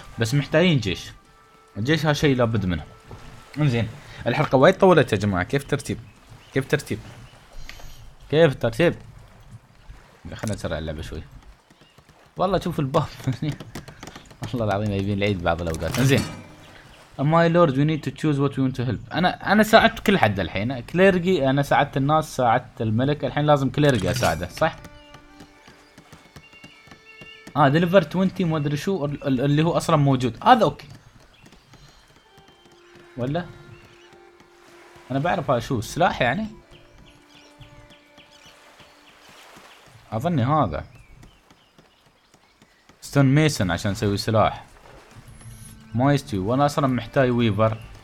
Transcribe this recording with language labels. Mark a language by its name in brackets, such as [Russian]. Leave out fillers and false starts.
[Arabic] بس محتاجين جيش، الجيش هذا شيء لابد منه. انزين الحلقه وايد طولت يا جماعه. كيف ترتيب؟ كيف ترتيب؟ كيف الترتيب؟ خلنا نسرع اللعبة شوي. والله شوف الباب الله العظيم يبين العيد بعض الأوقات. إنزين [English] my lord we need to choose what we want to help. [Arabic] أنا ساعدت كل حد الحين، كليرجي أنا ساعدت الناس، ساعدت الملك، الحين لازم كليرجي أساعده صح؟ [English] deliver 20 [Arabic] ما أدري شو اللي هو أصلا موجود هذا. أوكي ولا أنا بعرف هذا شو السلاح يعني، اظني هذا ستون ميسن عشان اسوي سلاح. ما يستوي، وانا اصلا محتاج ويفر